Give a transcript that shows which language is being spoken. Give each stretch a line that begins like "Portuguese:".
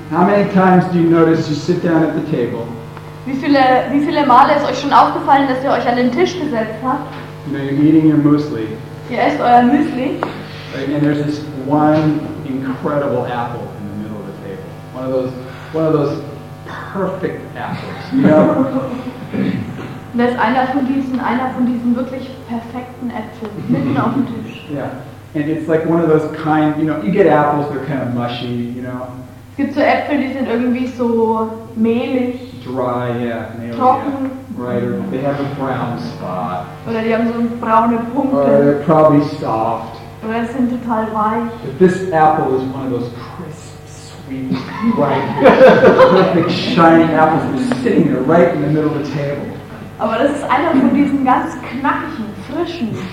English: How many times do you notice you sit down at the table?
German: Wie viele Male ist euch schon aufgefallen, dass ihr euch an den Tisch gesetzt habt?
English: You know, you're eating your muesli.
German: Ihr esst euer Müsli.
English: And there's this one incredible apple in the middle of the table. One of those perfect apples. You know?
German: Das ist einer von diesen wirklich perfekten Äpfeln mitten auf dem Tisch.
English: Yeah. And it's like one of those kind, you know, you get apples that are kind of mushy, you know.
German: Es gibt so Äpfel, die sind irgendwie so mehlig.
English: Dry, yeah.
German: Mehlig, trocken.
English: Yeah. Right, or they have a brown spot.
German: Oder die haben so braune Punkte.
English: Or they're probably soft.
German: Oder sind total weich.
English: But this apple is one of those crisp, sweet, bright, perfect, shiny apples that's sitting there right in the middle of the table.
German: Aber das ist einer von diesen ganz knackigen, frischen,